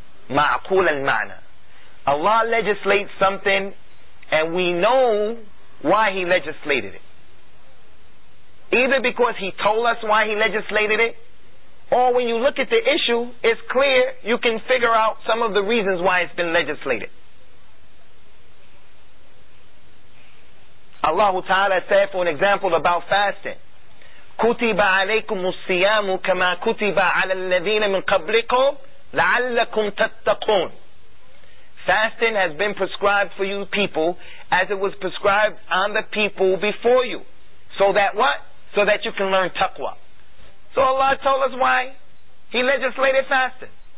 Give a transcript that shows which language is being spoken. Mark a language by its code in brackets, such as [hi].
[en] Ma'qul al-ma'na. Allah legislates something and we know why He legislated it. Either because He told us why He legislated it, or when you look at the issue, it's clear you can figure out some of the reasons why it's been legislated. [ar] Allah Ta'ala said, for an example, about fasting, كُتِبَ عَلَيْكُمُ الصِّيَامُ كَمَا كُتِبَ عَلَى الَّذِينَ مِنْ قَبْلِكُمْ لَعَلَّكُمْ تَتَّقُونَ. [en] Fasting has been prescribed for you people as it was prescribed on the people before you. So that what? So that you can learn taqwa. So Allah told us why He legislated fasting.